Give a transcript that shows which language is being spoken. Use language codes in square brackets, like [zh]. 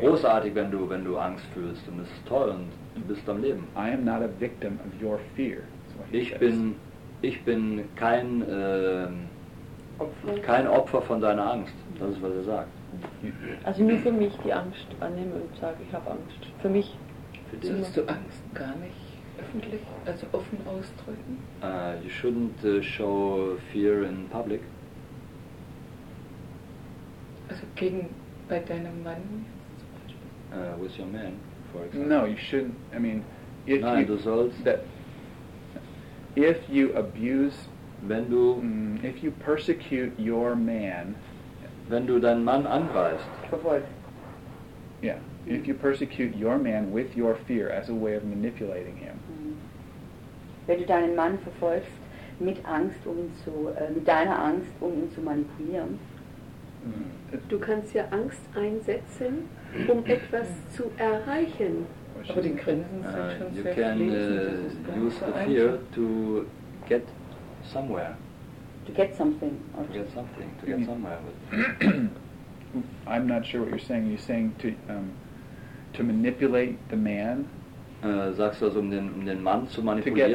[de] Großartig, wenn du Angst fühlst, und es ist toll und du bist am Leben. [en] I am not a victim of your fear. [de] Ich bin kein Opfer von deiner Angst. Das ist, was er sagt. machen. Also nur für mich die Angst annehmen und sage, ich habe Angst. Für mich. Für dich hast du Angst gar nicht öffentlich, also offen ausdrücken? [en] You shouldn't show fear in public. [de] Also gegen, bei deinem Mann zum Beispiel? [en] With your man, for example. No, you shouldn't, I mean, if [de] nein, du sollst. [en] That if you abuse, [de] wenn du, [en] if you persecute your man, [de] wenn du deinen Mann angreifst, verfolgt. [en] Yeah, if you persecute your man with your fear as a way of manipulating him. [de] Wenn du deinen Mann verfolgst mit Angst, um ihn zu, mit deiner Angst, um ihn zu manipulieren. Du kannst ja Angst einsetzen, um etwas zu erreichen. Aber den Grinsen sind schon sehr [en] you can use the fear to get somewhere. To get something. Or to get something, to get somewhere. With. I'm not sure what you're saying. You're saying to manipulate the man? [de] Sagst du also, um den Mann zu manipulieren?